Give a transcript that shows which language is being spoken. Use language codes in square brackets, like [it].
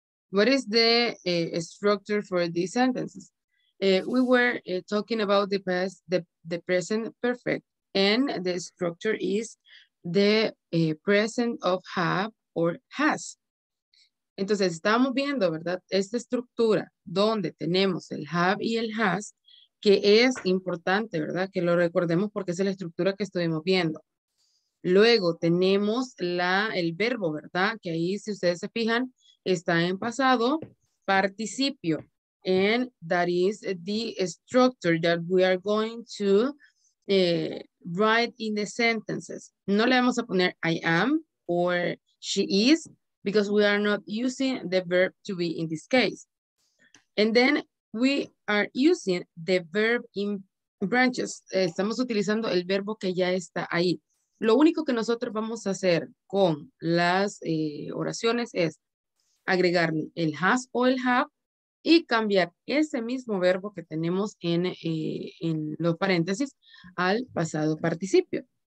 [en] What is the structure for these sentences? We were talking about the past, the present perfect, and the structure is the present of have or has. [es] Entonces, estamos viendo, ¿verdad? Esta estructura donde tenemos el have y el has, que es importante, ¿verdad? Que lo recordemos porque es la estructura que estuvimos viendo. Luego tenemos el verbo, ¿verdad? Que ahí, si ustedes se fijan, está en pasado, participio. [en] And that is the structure that we are going to write in the sentences. [es] No le vamos a poner [en] I am or she is, because we are not using the verb to be in this case. And then we are using the verb in branches. [es] Estamos utilizando el verbo que ya está ahí. Lo único que nosotros vamos a hacer con las oraciones es agregar el has o el have y cambiar ese mismo verbo que tenemos en los paréntesis al pasado participio.